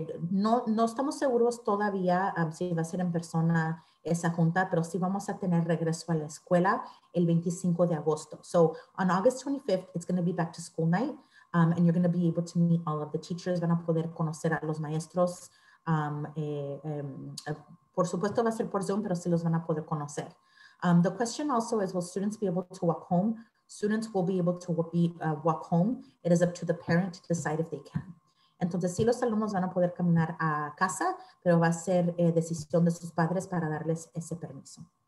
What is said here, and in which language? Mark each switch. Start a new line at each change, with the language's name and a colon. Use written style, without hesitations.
Spanish: No estamos seguros todavía si va a ser en persona esa junta, pero sí vamos a tener regreso a la escuela el 25 de agosto.
English: So on August 25th, it's going to be back to school night, and you're going to be able to meet all of the teachers.
Spanish: Van a poder conocer a los maestros. Por supuesto va a ser por Zoom, pero sí los van a poder conocer.
English: The question also is, will students be able to walk home? Students will be able to walk home. It is up to the parent to decide if they can.
Spanish: Entonces, sí, los alumnos van a poder caminar a casa, pero va a ser decisión de sus padres para darles ese permiso.